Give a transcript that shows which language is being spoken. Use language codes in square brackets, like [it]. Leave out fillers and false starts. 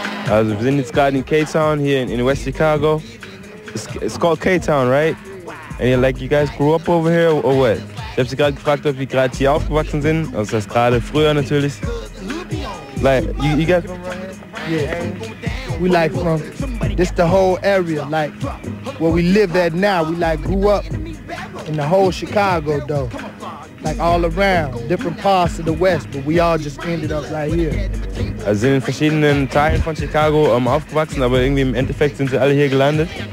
[de] Also wir sind jetzt gerade in K-Town hier in West Chicago. [en] It's called K-Town, right? And you're like, you guys grew up over here or what? [de] Ich hab sie gerade gefragt, ob wir gerade hier aufgewachsen sind. Also das gerade früher natürlich. [en] Like, you got... Yeah, we like from... This the whole area, like, where we live at now. We like grew up in the whole Chicago, though. Like all around, different parts of the West, but we all just ended up right here. [de] Also sind in verschiedenen Teilen von Chicago aufgewachsen, aber irgendwie im Endeffekt sind sie alle hier gelandet.